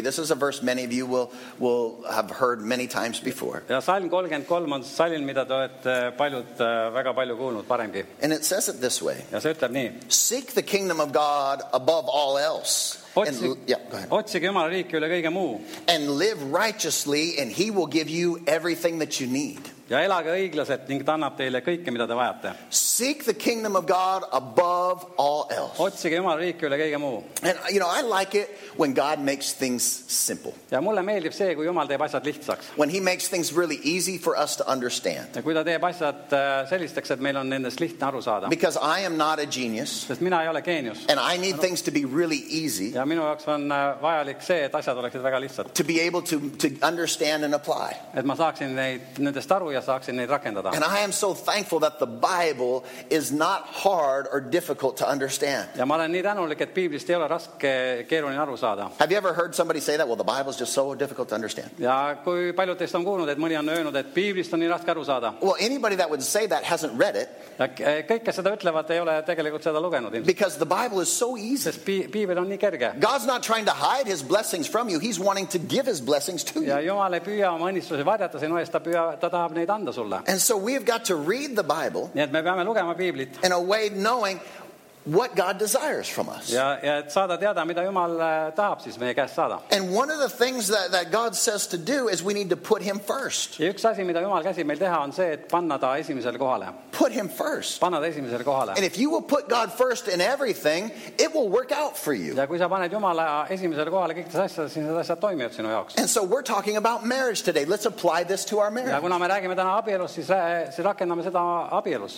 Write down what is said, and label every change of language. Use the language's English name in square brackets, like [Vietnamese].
[English] This is a verse many of you will have heard many times before. [Estonian] Ja salm 33 on salm, mida te olete paljud väga palju kuulnud paremgi. [English] And it says it this way. [Estonian] Ja see ütleb nii. [English] Seek the kingdom of God above all else. [Estonian] Otsige Jumala riiki üle kõige muu. [English] And live righteously and he will give you everything that you need. [Estonian] Ja elage õiglaselt ning ta annab teile kõike, mida te vajate. [English] Seek the kingdom of God above all else. [Estonian] Otsige Jumala riiki üle kõige muu. [English] And you know, I like it when God makes things simple. [Estonian] Ja mulle meeldib see, kui Jumal teeb asjad lihtsaks. [English] When he makes things really easy for us to understand. [Estonian] Ja kui ta teeb asjad sellisteks, et meil on nendest lihtne aru saada. [English] Because I am not a genius. [Estonian] Sest mina ei ole geenius. [English] And I need things to be really easy. [Estonian] Ja minu jaoks on vajalik see, et asjad oleksid väga lihtsad. [English] To be able to understand and apply. [Estonian] Et ma saaksin nendest aru ja saaksin neid rakendada. [English] And I am so thankful that the Bible is not hard or difficult to understand. [Estonian] Ja ma olen nii tänulik, et Biiblist ei ole raske keeruline aru saada. [English] Have you ever heard somebody say that? Well, the Bible is just so difficult to understand. [Estonian] Ja kui paljud teist on kuulnud, et mõni on öelnud, et Biiblist on nii raske aru saada. [English] Well, anybody that would say that hasn't read it. [Estonian] Kõik, kes seda ütlevad, ei ole tegelikult seda lugenud. [English] Because the Bible is so easy. [Estonian] Sest Biibel on nii kerge. [English] God's not trying to hide his blessings from you. He's wanting to give his blessings to you. [Estonian] Ja Jumal ei püüa oma õnnistusi varjata sinu eest, ta tahab neid anda sulle. [English] And so we've got to read the Bible. [Estonian] Nii et me peame lugema Biiblit. [English] In a way knowing what God desires from us. [Estonian] Ja et saada teada, mida Jumal tahab, siis meie käest saada. [English] And one of the things that God says to do is we need to put him first. [Estonian] Ja üks asi, mida Jumal käsib meil teha, on see, et panna ta esimesel kohale. [English] Put him first. [Estonian] Panna ta esimesel kohale. [English] And if you will put God first in everything, it will work out for you. [Estonian] Ja kui sa paned Jumala esimesel kohale kõikides asjades, siis need asjad toimivad sinu jaoks. [English] And so we're talking about marriage today. Let's apply this to our marriage. [Estonian] Ja kuna me räägime täna abielus, siis rakendame seda abielus.